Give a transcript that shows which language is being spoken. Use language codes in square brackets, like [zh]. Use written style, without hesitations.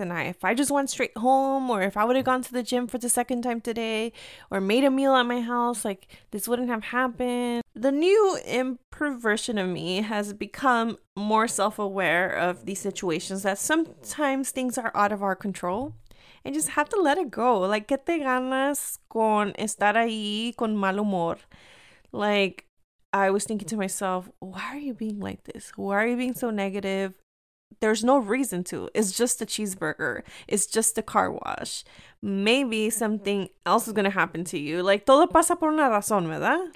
[en] And if I just went straight home, or if I would have gone to the gym for the second time today, or made a meal at my house, like, this wouldn't have happened. The new improved version of me has become more self-aware of these situations, that sometimes things are out of our control. And just have to let it go. [es] Like, ¿qué te ganas con estar ahí con mal humor? [en] Like, I was thinking to myself, why are you being like this? Why are you being so negative? There's no reason to. It's just a cheeseburger. It's just a car wash. Maybe something else is going to happen to you. Like, [es] todo pasa por una razón, ¿verdad?